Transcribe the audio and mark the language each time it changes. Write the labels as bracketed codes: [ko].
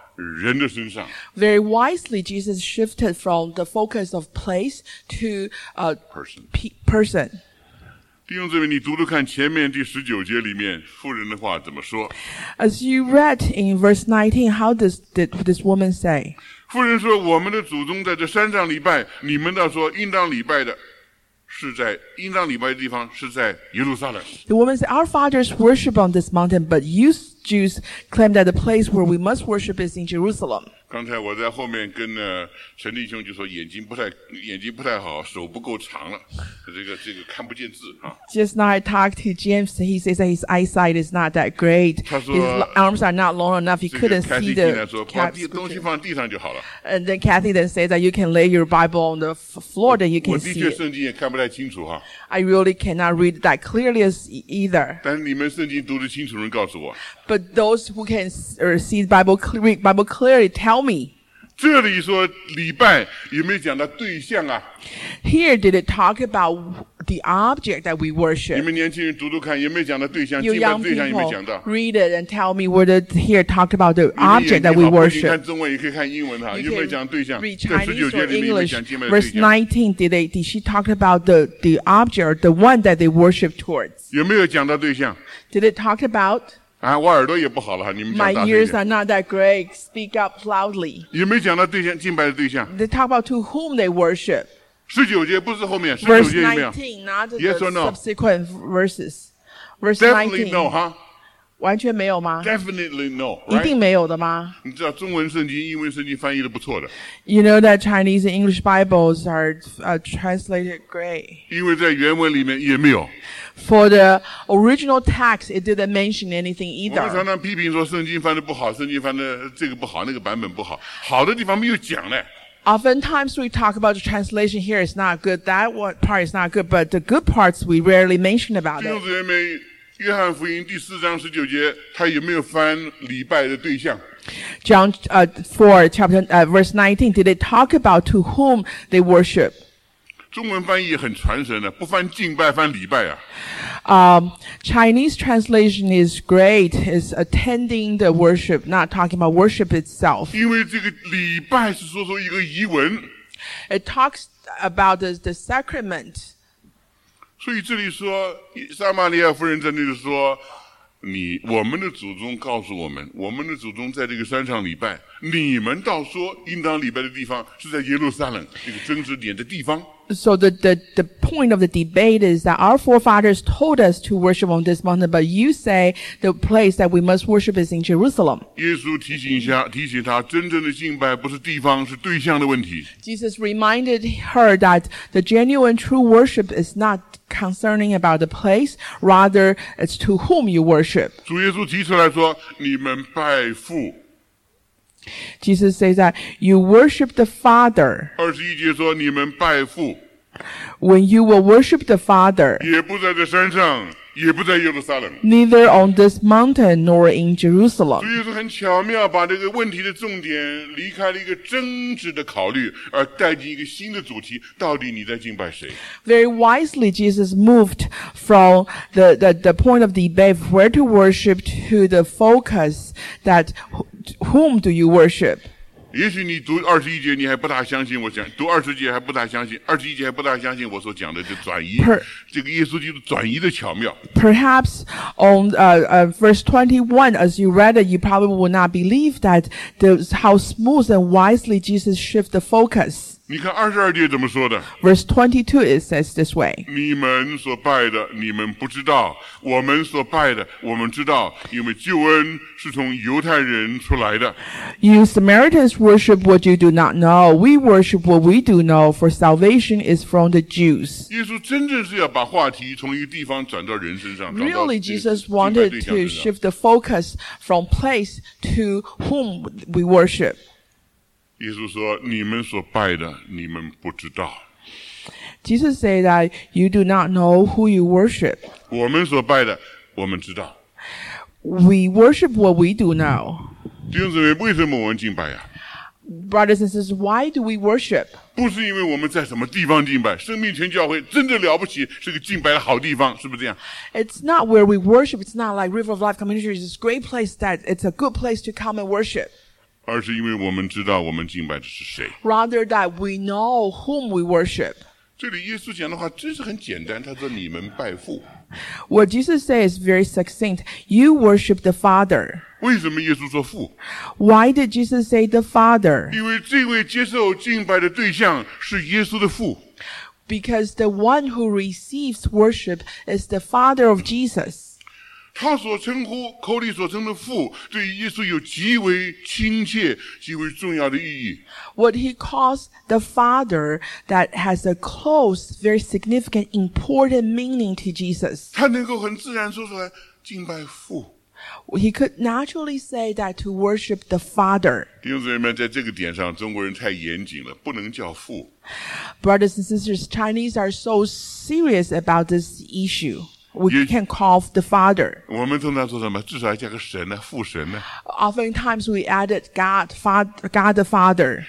[zh] 人的身上。 [en] Very wisely, Jesus shifted from the focus of place to a person. [zh] 弟兄姊妹，你读读看前面第十九节里面妇人的话怎么说。 [en] As you read in verse 19, how does this woman say? [zh] 妇人说，我们的祖宗在这山上礼拜，你们倒说应当礼拜的。是在应当礼拜的地方，是在耶路撒冷。 [en] The woman said, "Our fathers worship on this mountain, but you Jews claim that the place where we must worship is in Jerusalem." [zh] 刚才我在后面跟陈弟兄就说眼睛不太好，手不够长了，这个看不见字啊。 [en] Just now I talked to James, he says that his eyesight is not that great. [zh] 他说 [en] his arms are not long enough, he couldn't see the caps. [zh] 把东西放地上就好了。 [en] And then Kathy then says that you can lay your Bible on the floor, then you can see. [zh] 我的确圣经也看不太清楚哈。 [en] I really cannot read that clearly either. [zh] 但你们圣经读得清楚人告诉我。 [en] But those who can see the Bible, read Bible clearly, tell me. [zh] 这里说礼拜有没有讲到对象啊？ [en] Here, did it talk about the object that we worship? [zh] 你们年轻人读读看有没有讲到对象？有没有对象有没有讲到？ [en] Read it and tell me whether here talk about the object that we worship. [zh] 你看中文也可以看英文哈，有没有讲对象？在十九节里面有没有讲敬拜对象？ [en] Verse 19, did she talk about the object, the one that they worship towards? [zh] 有没有讲到对象？ [en] Did it talk about? [zh] 啊、我耳朵也不好了，你们讲大声一点。 [en] My ears are not that great. Speak up loudly. [zh] 有没有讲到对象敬拜的对象 [en] ？They talk about to whom they worship. [zh] 十九节不是后面，十九节有没有 [en] ？Yes or no? Subsequent verses. Verse 19. Definitely no, huh? [zh] 完全没有吗 [en] ？Definitely no.、Right? [zh] 一定没有的吗？你知道中文圣经、英文圣经翻译的不错的。 [en] You know that Chinese and English Bibles are translated great. [zh] 因为在原文里面也没有。 [en] For the original text, it didn't mention anything either. [zh] 我们常常批评说圣经翻的不好，圣经翻的这个不好，那个版本不好，好的地方没有讲呢。 [en] Oftentimes we talk about the translation here is not good. That one part is not good, but the good parts we rarely mention about it. [zh] 弟兄姊妹，约翰福音第四章十九节，他有没有翻礼拜的对象？ [en] John verse 19, did they talk about to whom they worship? [zh] 中文翻译很传神的，不翻敬拜，翻礼拜啊。 [en] Chinese translation is great, is attending the worship, not talking about worship itself. [zh] 因为这个礼拜是说说一个仪文。 [en] It talks about the sacrament. [zh] 所以这里说，撒玛利亚夫人在那里说，我们的祖宗告诉我们，我们的祖宗在这个山上礼拜，你们倒说应当礼拜的地方是在耶路撒冷，这个争执点的地方。 [en] So the point of the debate is that our forefathers told us to worship on this mountain, but you say the place that we must worship is in Jerusalem. [zh] 耶稣提醒他真正的敬拜不是地方，是对象的问题。 [en] Jesus reminded her that the genuine true worship is not concerning about the place, rather it's to whom you worship. [zh] 主耶稣提出来说，你们拜父。 [en] Jesus says that you worship the Father. [zh] 二十一节说你们拜父。 [en] When you will worship the Father, [zh] 也不在这山上，也不在耶路撒冷。 [en] Neither on this mountain nor in Jerusalem. [zh] 所以说很巧妙，把这个问题的重点离开了一个争执的考虑，而带进一个新的主题：到底你在敬拜谁 [en] ？Very wisely, Jesus moved from the point of debate where to worship to the focus that. Whom do you worship? [zh] 也许你读二十一节，你还不大相信。我讲读二十节还不大相信，二十一节还不大相信我所讲的这转移，这个耶稣基督转移的巧妙。 [en] Perhaps on verse 21, as you read it, you probably will not believe that how smooth and wisely Jesus shift the focus. [zh] 你看二十二节怎么说的 [en] ？Verse 22 it says this way: [zh] 你们所拜的，你们不知道；我们所拜的，我们知道，因为救恩是从犹太人出来的。 [en] You Samaritans worship what you do not know. We worship what we do know. For salvation is from the Jews. [zh] 耶稣真正是要把话题从一个地方转到人身上。 [en] Really, Jesus wanted to shift the focus from place to whom we worship. [zh] 耶稣说你们所拜的你们不知道。 [en] Jesus said that you do not know who you worship. [zh] 我们所拜的我们知道。 [en] We worship what we do know. [zh] 弟兄姊妹，为什么我们敬拜啊？ [en] Brothers and sisters, why do we worship? [zh] 不是因为我们在什么地方敬拜，生命泉教会真的了不起，是个敬拜的好地方，是不是这样？ [en] It's not where we worship, it's not like River of Life Community Church, it's a great place to come and worship. [zh] 而是因为我们知道我们敬拜的是谁。 [en] Rather that we know whom we worship. [zh] 这里耶稣讲的话真是很简单，他说你们拜父。 [en] What Jesus says is very succinct. You worship the Father. [zh] 为什么耶稣说父？ [en] Why did Jesus say the Father? [zh] 因为这位接受敬拜的对象是耶稣的父。 [en] Because the one who receives worship is the Father of Jesus. [zh] 他所称呼，口里所称的父，对耶稣有极为亲切，极为重要的意义。 [en] What he calls the Father that has a close, very significant, important meaning to Jesus. [zh] 他能够很自然说出来，敬拜父。 [en] He could naturally say that to worship the Father. [zh] 弟兄姊妹们，在这个点上，中国人太严谨了，不能叫父。 [en] Brothers and sisters, Chinese are so serious about this issue. We can call the Father. [zh] 我们通常说什么？至少加个神呢，父神呢。 [en] Oftentimes we added God the Father.